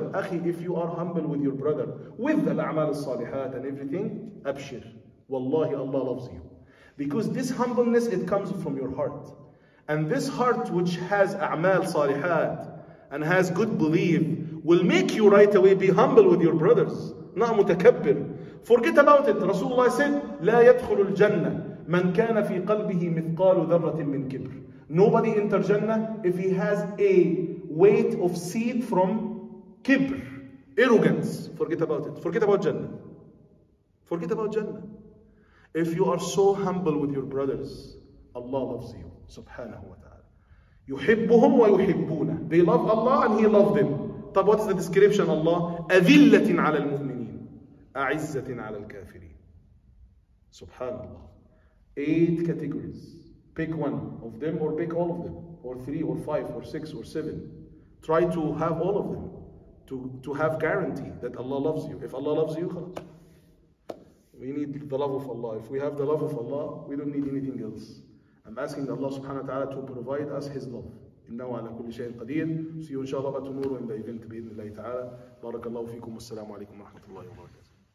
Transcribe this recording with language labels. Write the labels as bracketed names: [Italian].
[English] أخي, if you are humble with your brother with the أعمال الصالحات and everything, أبشر, والله الله loves you. Because this humbleness, it comes from your heart. And this heart which has أعمال صالحات and has good belief will make you right away be humble with your brothers. [Arabic] نعم متكبر. [English] Forget about it. [Arabic] Rasulullah said, لا يدخل الجنة من كان في قلبه مثقال ذرة من كبر. [English] Nobody enter Jannah if he has a weight of seed from kibr. Arrogance. Forget about it. Forget about Jannah. Forget about Jannah. If you are so humble with your brothers, Allah loves you. [Arabic] Subhanahu wa ta'ala. يحبهم ويحبون. [English] They love Allah and he loves them. طب, what is the description of Allah? [Arabic] أذلة على المؤمنين. أعزة على الكافرين. سبحان الله. [English] 8 categories. Pick one of them or pick all of them. Or 3 or 5 or 6 or 7. Try to have all of them. To have guarantee that Allah loves you. If Allah loves you, خلاص. We need the love of Allah. If we have the love of Allah, we don't need anything else. I'm asking Allah subhanahu wa ta'ala to provide us His love. [Arabic] إنه على كل شيء قدير. [English] See you [Arabic] إن شاء الله تنور وإن ذا إذن بإذن الله تعالى. بارك الله فيكم والسلام عليكم ورحمة الله وبركاته.